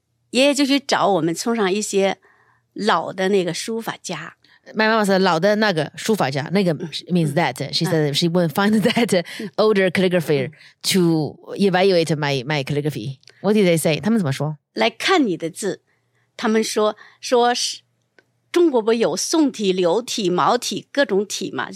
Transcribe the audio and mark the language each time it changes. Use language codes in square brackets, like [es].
[zh] 爷爷就去找我们村上一些老的那个书法家。 [en] My mom said [zh] 老的那个书法家，那个 [en] means that she said she won't find that older calligrapher to evaluate my calligraphy. What did they say? [zh] 他们怎么说？来看你的字。他们说是中国不有宋体、柳体、毛体各种体嘛？